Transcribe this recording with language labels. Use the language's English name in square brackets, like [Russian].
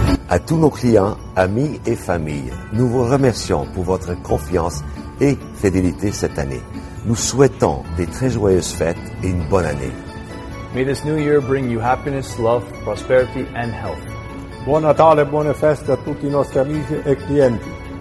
[French] À tous nos clients, amis et familles, nous vous remercions pour votre confiance et fidélité cette année. Nous souhaitons des très joyeuses fêtes et une bonne année. [English] May this new year bring you happiness, love, prosperity and health. [Italian] Buon Natale, buone feste a tutti i nostri amici e clienti.